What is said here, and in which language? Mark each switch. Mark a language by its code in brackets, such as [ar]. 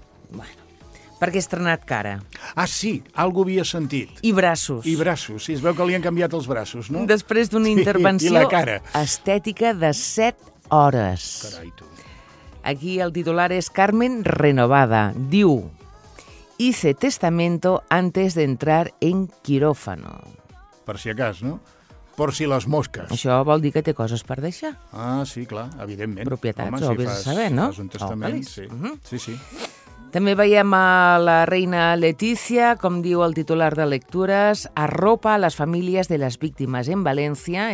[ca] Bueno, perquè ha estrenat cara. Ah, sí, algú havia sentit. I braços. I braços, sí, es veu que li han canviat els braços, no? Després d'una intervenció i la cara estètica de 7 hores. Carai, tu. Aquí el titular és Carmen Renovada. [es] Diu, hice testamento antes de entrar en quirófano. [ca] Per si acas, no? Per si les mosques. Això vol dir que té coses per deixar. Ah, sí, clar, evidentment. Propietats, ho vés a saber, no? Si fas un testament, sí. Sí, sí. També veiem a la reina Letícia, com diu el titular de lectures, arropa a les famílies de les víctimes en València.